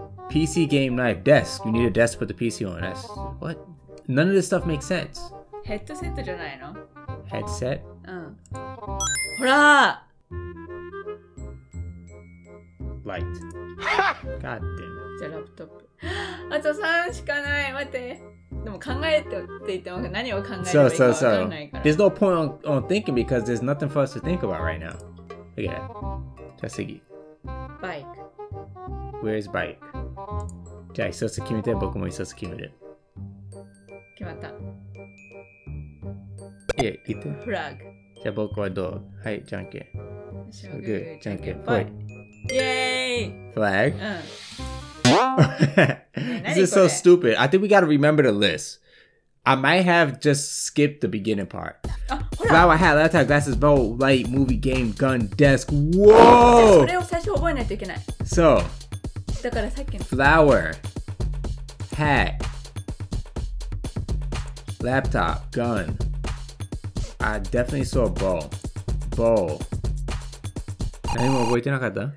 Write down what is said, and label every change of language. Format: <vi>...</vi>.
<en>PC game knife desk you need a desk to put the PC on that's what? None of this stuff makes sense.</en> <ja>ヘッドセットじゃないの？ヘッドセット？ ほら。</ja> <en>Light. God damn.</en> <ja>じゃあラップトップ。あと3しかない待ってでも考えてって言っても何を考えればいいか分からないから</ja> <en>There's no point on thinking because there's nothing for us to think about right now Look at that</en> <ja>じゃあ次バイク</ja> <en>Where's bike?</en> <ja>じゃあ一つ決めて僕も一つ決める決まったいや行ってフラグじゃあ僕はどうはいじゃんけんそうグーじゃんけんぽいイエーイフラグうん</ja> <en>This is so stupid. I think we gotta remember the list. I might have just skipped the beginning part. Flower hat, laptop, glasses, bow, light, movie, game, gun, desk. Whoa!</en> <ja>それを最初覚えないといけない。</ja> <en>So,</en> <ja>だからさっきの</ja> <en>flower, hat, laptop, gun. I definitely saw bow. Bow.</en> <ja>何も覚えてなかった？</ja>